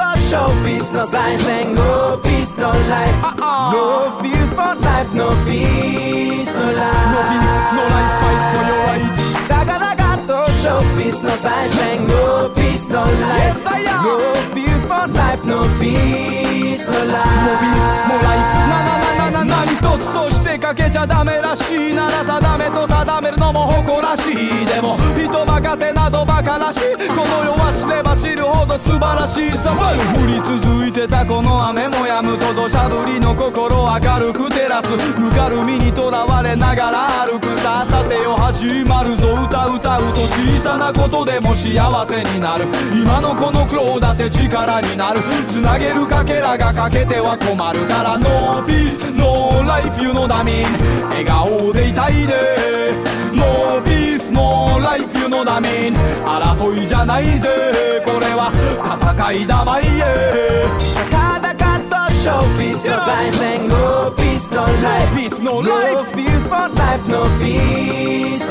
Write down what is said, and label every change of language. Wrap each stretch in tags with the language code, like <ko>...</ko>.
<en>No peace, no silence, no peace, no life. No fear for life, no peace, no life. No peace, no life, fight for your rights. Dagadagato. No peace, no silence, no peace, no life. Yes, I am. No fear for life, no peace, no life. No peace, no life. No, no, no, no, no, no.</en> <ja>何一つとしてかけちゃダメらしいなら定めと定めるのも誇らしい。でも人任せなどバカらしい。この世は知れば知るほど素晴らしいさ。降り続いてたこの雨も止むと土砂降りの心明るく照らす。ぬかるみにとらわれながら歩くさ。立てよ始まるぞ。歌歌うと小さなことでも幸せになる。今のこの苦労だって力になる。つなげるかけらが欠けては困るから。</ja> <en>No peace, no life, you know what I mean.</en> <ja>笑顔でいたいね。</ja> <en>No peace, no life, you know what I mean.</en> <ja>争いじゃないぜ、これは戦いだ、バイエー。たかだかと</ja> <en>show peace, no silence, no peace, no life. No fear for life, no peace, no life.</en>